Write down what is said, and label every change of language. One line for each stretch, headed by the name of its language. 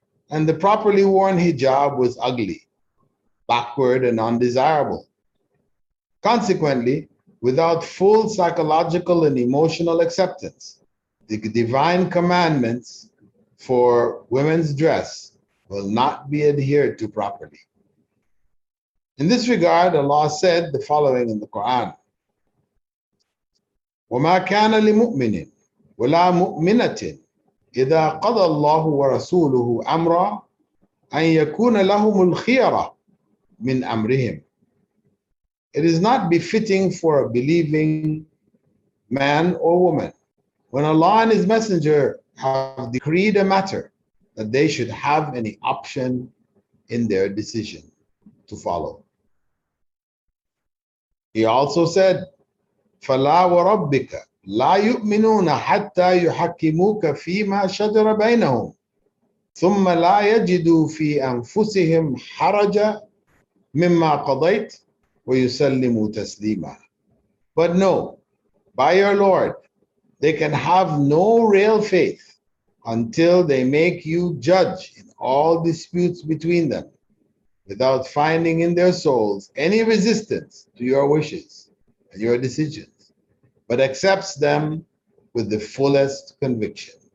English: And the properly worn hijab was ugly, backward, and undesirable. Consequently, without full psychological and emotional acceptance, the divine commandments for women's dress will not be adhered to properly. In this regard, Allah said the following in the Quran:
Arabic: وَمَا كَانَ لِمُؤْمِنٍ وَلَا مُؤْمِنَةٍ إِذَا قَضَى اللَّهُ وَرَسُولُهُ أَمْرًا أَنْ يَكُونَ لَهُمُ الْخِيَرَةُ مِنْ أَمْرِهِمْ.
English: It is not befitting for a believing man or woman when Allah and His Messenger have decreed a matter that they should have any option in their decision to follow. He also said,
Arabic: فَلَا وَرَبِّكَ لَا يُؤْمِنُونَ حَتَّى يُحَكِّمُوكَ فِي مَا شَجَرَ بَيْنَهُمْ ثُمَّ لَا يَجِدُوا فِي أَنفُسِهِمْ حَرَجَ مِمَّا قَضَيْتَ وَيُسَلِّمُوا تَسْلِيمًا.
English: But no, by your Lord, they can have no real faith until they make you judge in all disputes between them, without finding in their souls any resistance to your wishes and your decisions, but accepts them with the fullest conviction.